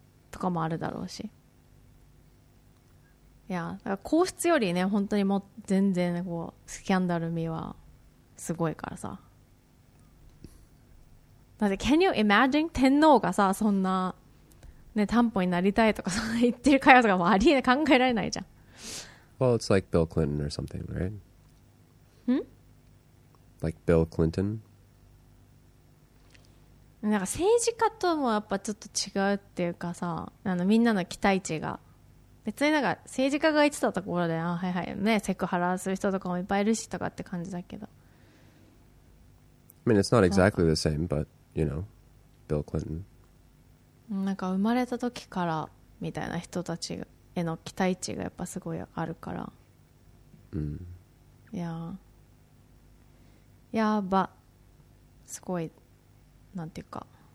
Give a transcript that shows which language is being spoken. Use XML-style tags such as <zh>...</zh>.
<ja>とかもあるだろうし、いやだから皇室よりね本当にもう全然こうスキャンダル味はすごいからさ、だって</ja> <en>Can you imagine</en> <ja>天皇がさそんな、ね、担保になりたいとかさ言ってる会話とかもありえない、考えられないじゃん。</ja> <en>Well it's like Bill Clinton or something, right? ん？ Like Bill Clinton?</en> <ja>なんか政治家ともやっぱちょっと違うっていうかさ、あのみんなの期待値が別になんか政治家が言ってたところで、あはいはいね、セクハラする人とかもいっぱいいるしとかって感じだけど、</ja> <en>I mean, it's not exactly the same, but, you know, Bill Clinton.</en> <ja>なんか生まれた時からみたいな人たちへの期待値がやっぱすごいあるから。うん。いやー。やーば。すごい、なんていうか。</ja>